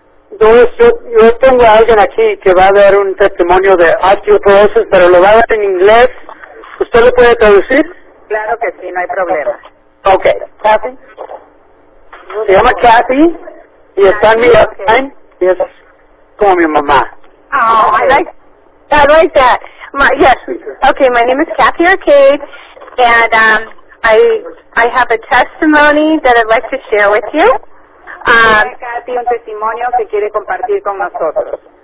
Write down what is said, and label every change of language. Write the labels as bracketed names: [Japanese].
[Spanish] Entonces, yo tengo a alguien aquí que va a dar un testimonio de osteoporosis, pero lo va a dar en inglés. ¿Usted lo puede traducir? Claro que sí, no hay problema. Ok. Kathy. No, se llama Kathy y está en mi line, y es como mi mamá. [English] I like that. Yes. Okay, my name is Kathy Arcade, and I have a testimony that I'd like to share with you. [Spanish] Kathy, un testimonio que quiere compartir con nosotros.